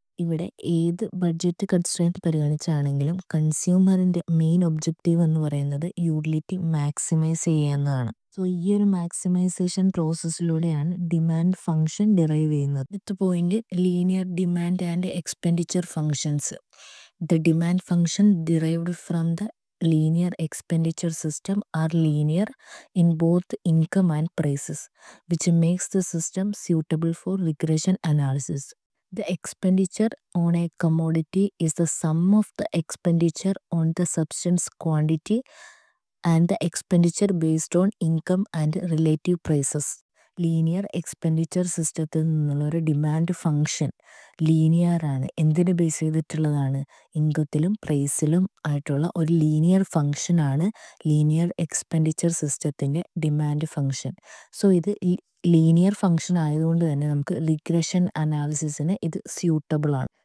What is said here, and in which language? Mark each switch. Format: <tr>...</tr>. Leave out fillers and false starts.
<ml>ഇവിടെ ഏത് budget constraint പരിഗണിച്ചാണെങ്കിലും കൺസ്യൂമറിൻ്റെ main objective എന്ന് പറയുന്നത് യൂട്ടിലിറ്റി മാക്സിമൈസ് ചെയ്യുക എന്നതാണ്. സോ ഈ ഒരു മാക്സിമൈസേഷൻ പ്രോസസ്സിലൂടെയാണ് ഡിമാൻഡ് ഫംഗ്ഷൻ ഡിറൈവ് ചെയ്യുന്നത്. അടുത്ത point linear demand and expenditure functions.</ml> <en>The demand function derived from the linear expenditure system are linear in both income and prices, which makes the system suitable for regression analysis. The expenditure on a commodity is the sum of the expenditure on the substance quantity and the expenditure based on income and relative prices.</en> <ml>Linear expenditure സിസ്റ്റത്തിൽ നിന്നുള്ളൊരു demand function ലീനിയറാണ്. എന്തിന് base ചെയ്തിട്ടുള്ളതാണ്? ഇൻകത്തിലും പ്രൈസിലും ആയിട്ടുള്ള ഒരു linear ഫംഗ്ഷനാണ് linear expenditure സിസ്റ്റത്തിൻ്റെ demand function. So ഇത് linear function ആയതുകൊണ്ട് തന്നെ നമുക്ക് റിഗ്രഷൻ അനാലിസിസിന് ഇത് സ്യൂട്ടബിളാണ്.</ml>